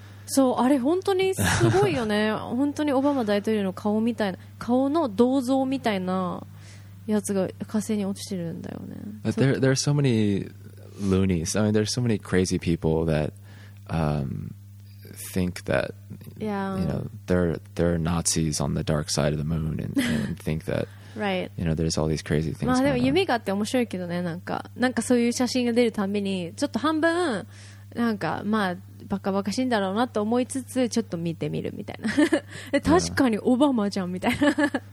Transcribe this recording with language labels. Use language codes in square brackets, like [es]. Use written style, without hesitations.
[ja] そうあれ本当にすごいよね本当にオバマ大統領の顔みたいな顔の銅像みたいなやつが火星に落ちてるんだよね [en] But there are so many loonies I mean there are so many crazy people that think that you know, there are Nazis on the dark side of the moon and think that right. You know, there's all these crazy things. まあ [ja] でも夢があって面白いけどね、なんかそういう写真が出るためにちょっと半分なんかまあバカバカしいんだろうなと思いつつちょっと見てみるみたいな。確かにオバマじゃんみたいな。